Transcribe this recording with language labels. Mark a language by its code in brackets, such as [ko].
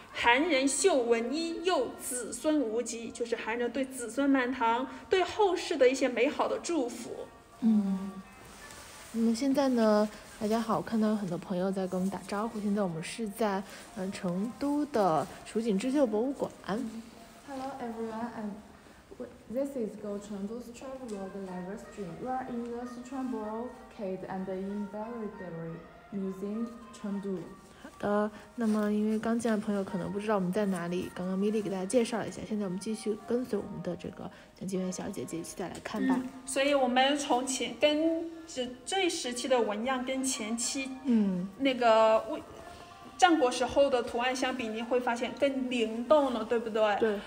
[zh] 韩人秀文一又子孙无极，就是韩人对子孙满堂，对后世的一些美好的祝福。嗯，我们现在呢，大家好，看到有很多朋友在跟我们打招呼。现在我们是在成都的蜀锦织绣博物馆。 [en] Hello everyone, this is Go Chengdu's travelog live stream. We are in the Sichuan Brocade and in Belvedere Museum, Chengdu. [zh] 那么因为刚进来的朋友可能不知道我们在哪里，刚刚 Milly 给大家介绍了一下，现在我们继续跟随我们的这个蒋金元小姐姐一起再来看吧。嗯，所以我们从前跟最时期的纹样跟前期那个战国时候的图案相比，你会发现更灵动了，对不对？